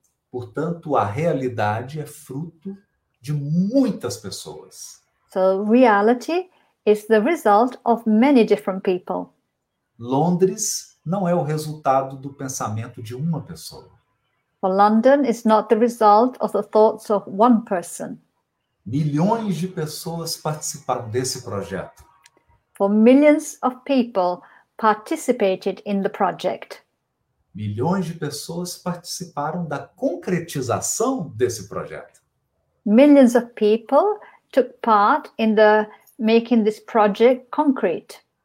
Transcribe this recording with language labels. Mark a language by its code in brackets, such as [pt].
[pt] Portanto, a realidade é fruto de muitas pessoas. [en] So, reality is the result of many different people. [pt] Londres não é o resultado do pensamento de uma pessoa. [en] For London is not the result of the thoughts of one person. [pt] Milhões de pessoas participaram desse projeto. [en] For millions of people participated in the project. [pt] Milhões de pessoas participaram da concretização desse projeto. [en] Millions of people took part in the making this project concrete.